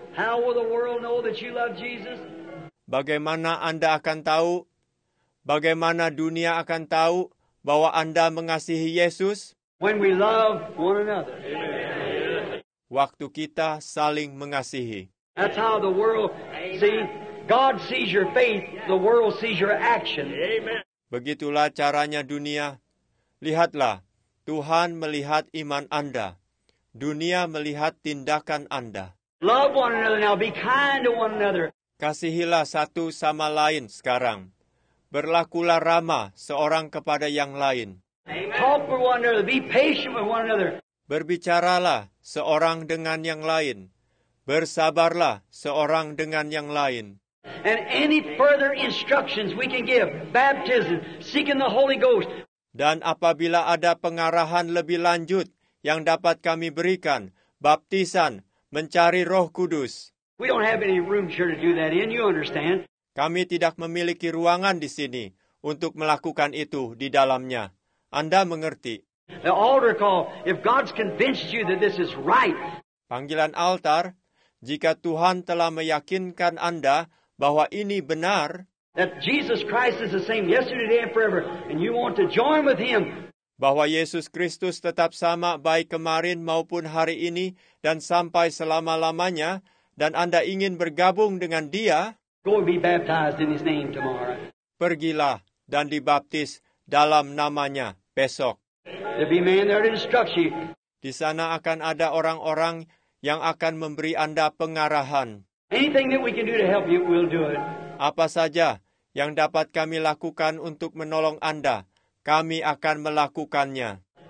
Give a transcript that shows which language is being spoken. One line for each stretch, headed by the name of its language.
English: How will the world know that you love Jesus?
Indonesian: Bagaimana Anda akan tahu? Bagaimana dunia akan tahu bahwa Anda mengasihi Yesus?
English: When we love one another.
Indonesian: Waktu kita saling mengasihi.
English: That's how the world see. God sees your faith, the world sees your action. Amen.
Indonesian: Begitulah caranya dunia. Lihatlah, Tuhan melihat iman Anda. Dunia melihat tindakan Anda.
English: Love one another now, be kind to one another.
Indonesian: Kasihilah satu sama lain sekarang. Berlakulah ramah seorang kepada yang lain. Amen.
English: Talk with one another, be patient with one another.
Indonesian: Berbicaralah seorang dengan yang lain. Bersabarlah seorang dengan yang lain.
English: And any further instructions we can give, baptism, seeking the Holy Ghost.
Indonesian: Dan apabila ada pengarahan lebih lanjut yang dapat kami berikan, baptisan, mencari Roh Kudus.
English: We don't have any room here to do that in, you understand?
Indonesian: Kami tidak memiliki ruangan di sini untuk melakukan itu di dalamnya. Anda mengerti?
English: The altar call, if God's convinced you that this is right.
Indonesian: Panggilan altar, jika Tuhan telah meyakinkan Anda bahwa ini benar,
English: that Jesus Christ is the same yesterday, today, and forever, and you want to join with him,
Indonesian: bahwa Yesus Kristus tetap sama baik kemarin maupun hari ini dan sampai selama-lamanya, dan Anda ingin bergabung dengan dia,
English: go be baptized in his name tomorrow.
Indonesian: Pergilah dan dibaptis dalam namanya besok.
English: There'll be men there to instruct you.
Indonesian: Di sana akan ada orang-orang yang akan memberi Anda pengarahan.
English: Anything that we can do to help you, we'll do it.
Indonesian: Apa saja yang dapat kami lakukan untuk menolong Anda, kami akan melakukannya.